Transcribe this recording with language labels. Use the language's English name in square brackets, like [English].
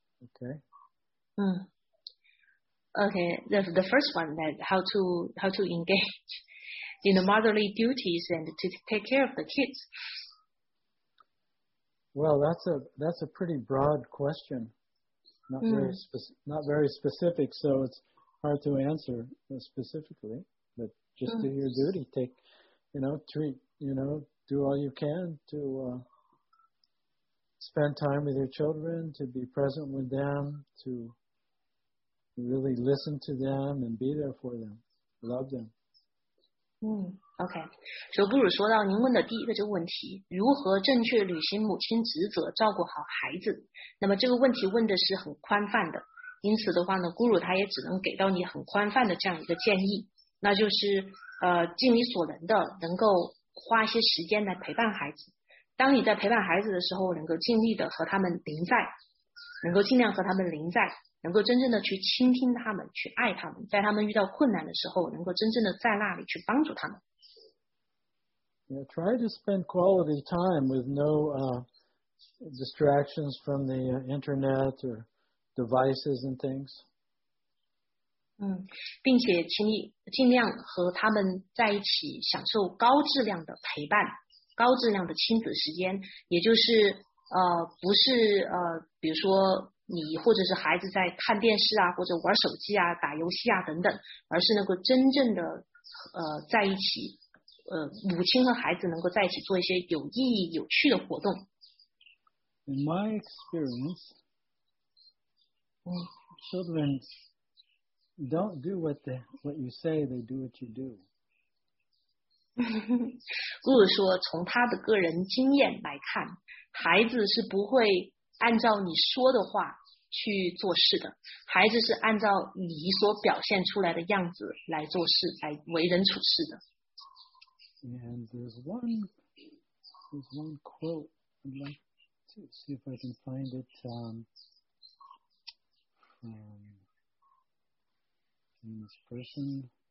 [Chinese] 但是的话，如果你能靠自己来独立生活，你能够靠你们力量来照顾好你的两个孩子的话，那么这看起来应该是很不错的事情。但是的话，你需要自己来决定。Okay. [English] The first one, that how to engage in the motherly duties and to take care of the kids. Well, that's a pretty broad question, not very specific, so it's hard to answer specifically. But just do your duty, do all you can to spend time with your children, to be present with them, to really listen to them and be there for them, love them. [Chinese] OK， 所以，布鲁说到您问的第一个这个问题，如何正确履行母亲职责，照顾好孩子？那么这个问题问的是很宽泛的，因此的话呢，布鲁他也只能给到你很宽泛的这样一个建议，那就是尽你所能的，能够花些时间来陪伴孩子。当你在陪伴孩子的时候，能够尽力的和他们临在，能够尽量和他们临在。能够真正的去倾听他们，去爱他们，在他们遇到困难的时候，能够真正的在那里去帮助他们。Yeah, [English] try to spend quality time with no distractions from the internet or devices and things. [Chinese] 并且请你尽量和他们在一起享受高质量的陪伴，高质量的亲子时间，也就是不是比如说你或者是孩子在看电视啊，或者玩手机啊，打游戏啊等等，而是能够真正的在一起，母亲和孩子能够在一起做一些有意义有趣的活动。 [English] In my experience, children don't do what you say, they do what you do. [Chinese] 如果说从他的个人经验来看，孩子是不会按照你说的话去做事的，孩子是按照你所表现出来的样子来做事，来为人处事的。 [English] And there's one quote I'd like to see if I can find it from this person.